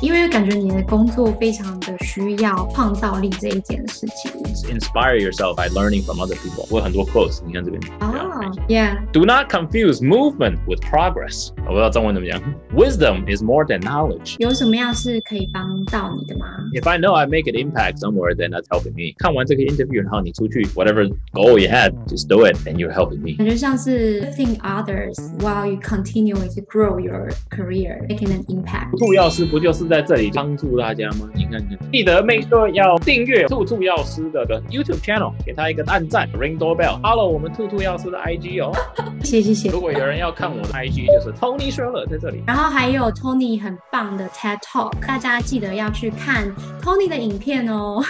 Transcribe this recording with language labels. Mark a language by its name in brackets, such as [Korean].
[Chinese] 因为感觉你的工作非常的需要创造力这一件事情。 Inspire yourself by learning from other people，我有很多 quotes 你看这边。 [English] Do not confuse movement with progress. 我不知道中文怎么讲。 Wisdom is more than knowledge. [Chinese] 有什么样是可以帮到你的吗？ [English] If I know I make an impact somewhere, then that's helping me. 看完这个 interview，然后你出去，whatever goal you had, just do it, and you're helping me. 感觉像是 lifting others while you continue to grow your career, making an impact. [Chinese] 兔药师不就是在这里帮助大家吗？你看看，记得 make sure 要订阅兔兔药师的 YouTube channel， 给他一个按赞 ， ring doorbell， follow 我们兔兔药师的 IG 哦。谢。如果有人要看我的 IG， 就是 Tony Schreller 在这里。然后还有 Tony 很棒的 TED Talk， 大家记得要去看 Tony 的影片哦。